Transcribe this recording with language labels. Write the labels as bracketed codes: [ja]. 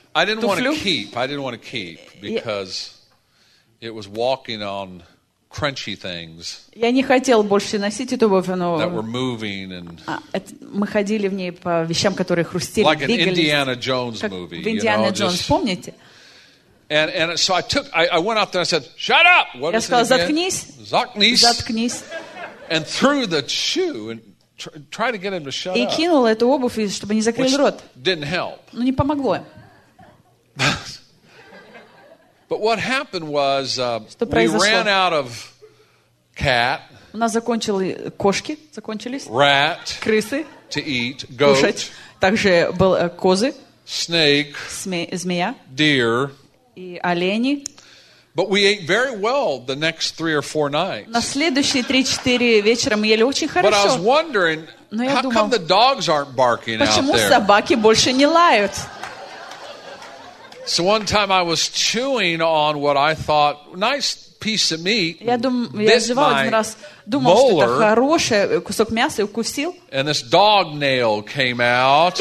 [en] I didn't want to keep because It was walking on crunchy things. [ru] Я не хотел больше носить эту обувь, но [en] that were moving and [ru] мы ходили в ней по вещам, которые хрустели, [en] like [ru] двигались. [en] Like an Indiana Jones movie. [ru] В Индиана Джонс, помните? [en] And so I took, I went out there and I said, "Shut up!" What is it again? [ru] Я сказал, заткнись. Заткнись. [en] And threw the shoe and try to get him to shut up. [ru] И кинул эту обувь, чтобы не закрыл рот. [en] Didn't help. [ru] Ну не помогло. [en] But what happened was we ran out of cat. [ru] У нас закончились кошки, закончились. [en] Rat. [ru] Крысы. [en] To eat. Goat. [ru] Кушать. Также был козы. [en] Snake. [ru] Змея. [en] Deer. [ru] И олени. [en] But we ate very well the next three or four nights. [ru] На следующие 3-4 вечера мы ели очень хорошо. [en] But I was wondering, how come the dogs aren't barking out there? [ru] Почему собаки больше не лают? [en] So one time I was chewing on what I thought nice piece of meat. [ru] Я думал, что это хороший кусок мяса, и укусил. [en] And this dog nail came out.